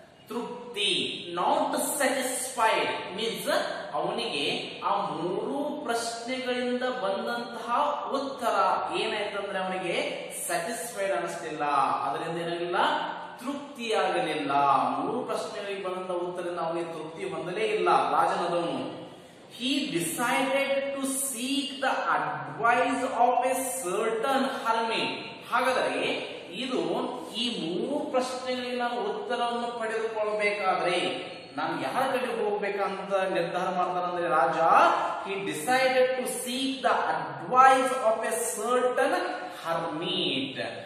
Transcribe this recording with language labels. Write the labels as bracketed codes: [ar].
[kn] ತೃಪ್ತಿ, [en] not satisfied means [kn] ಅವನಿಗೆ ಆ ಮೂರು ಪ್ರಶ್ನೆಗಳಿಂದ ಬಂದಂತಹ ಉತ್ತರ ಏನಾಯ್ತಂದ್ರೆ ಅವನಿಗೆ ಸ್ಯಾಟಿಸ್ಫೈಡ್ ಅನಿಸ್ತಿಲ್ಲ, ಅದರಿಂದ ಏನಾಗಲಿಲ್ಲ ತೃಪ್ತಿ ಆಗಲಿಲ್ಲ. ಮೂರು ಪ್ರಶ್ನೆಗಳಿಗೆ ಬಂದಂತಹ ಉತ್ತರದಿಂದ ಅವನಿಗೆ ತೃಪ್ತಿ ಬಂದಲೇ ಇಲ್ಲ ರಾಜನದವನು. [en] He decided to seek the advice of a certain hermit. [kn] ಹಾಗಾದರೆ ಇದು ಈ ಮೂರು ಪ್ರಶ್ನೆಗಳಿಗೆ ನಾನು ಉತ್ತರವನ್ನು ಪಡೆದುಕೊಳ್ಬೇಕಾದ್ರೆ ನಾನು ಯಾರ ಕಡೆ ಹೋಗ್ಬೇಕಂತ ನಿರ್ಧಾರ ಮಾಡ್ತಾನಂದ್ರೆ ರಾಜ, [en] He decided to seek the advice of a certain hermit.